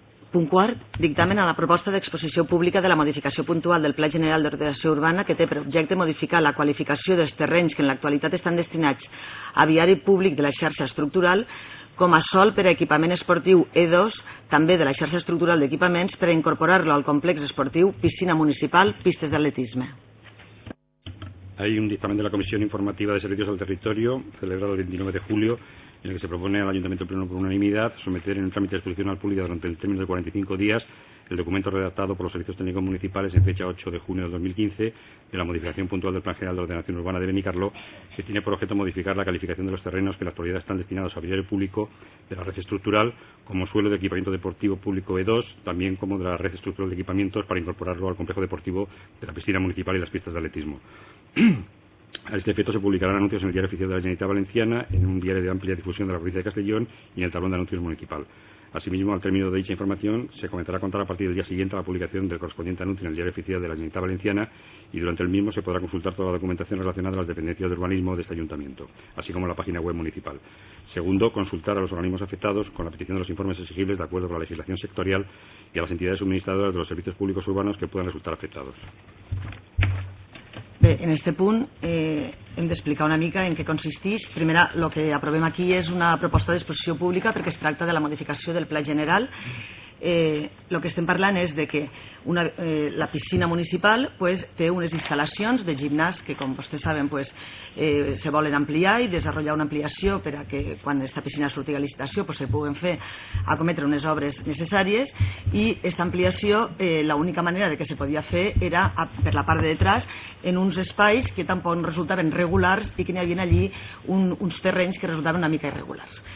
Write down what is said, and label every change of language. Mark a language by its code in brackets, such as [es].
[ca] Punt quart, dictamen a la proposta d'exposició pública de la modificació puntual del Pla General d'Ordenació Urbana que té per objecte modificar la qualificació dels terrenys que en l'actualitat estan destinats a viari públic de la xarxa estructural com a sòl per a equipament esportiu E2, també de la xarxa estructural d'equipaments, per a incorporar-lo al complex esportiu, piscina municipal, pistes d'atletisme. [es] Hay un dictamen de la Comisión Informativa de Servicios al Territorio, celebrado el 29 de julio, en el que se propone al Ayuntamiento Pleno por unanimidad someter en el trámite de exposición al público durante el término de 45 días el documento redactado por los servicios técnicos municipales en fecha 8 de junio de 2015 de la modificación puntual del Plan General de Ordenación Urbana de Benicarló, que tiene por objeto modificar la calificación de los terrenos que en la actualidad están destinados a viario público de la red estructural como suelo de equipamiento deportivo público E2, también como de la red estructural de equipamientos para incorporarlo al complejo deportivo de la piscina municipal y las pistas de atletismo. A este efecto se publicarán anuncios en el Diario Oficial de la Generalitat Valenciana, en un diario de amplia difusión de la provincia de Castellón y en el tablón de anuncios municipal. Asimismo, al término de dicha información, se comenzará a contar a partir del día siguiente a la publicación del correspondiente anuncio en el Diario Oficial de la Generalitat Valenciana y durante el mismo se podrá consultar toda la documentación relacionada a las dependencias de urbanismo de este ayuntamiento, así como la página web municipal. Segundo, consultar a los organismos afectados con la petición de los informes exigibles de acuerdo con la legislación sectorial y a las entidades suministradoras de los servicios públicos urbanos que puedan resultar afectados. [ca] Bé, en este punt hem d'explicar una mica en què consisteix. Primera, el que aprovem aquí és una proposta d'exposició pública perquè es tracta de la modificació del pla general. El que estem parlant és de que la piscina municipal pues, té unes instal·lacions de gimnàs que, com vostès saben, pues, se volen ampliar i desenvolupar una ampliació per a que quan aquesta piscina surti a licitació pues, se puguen fer a cometre unes obres necessàries i aquesta ampliació l'única manera de que se podia fer era per la part de detrás en uns espais que tampoc resultaven regulars i que n'hi havia allí uns terrenys que resultaven una mica irregulars.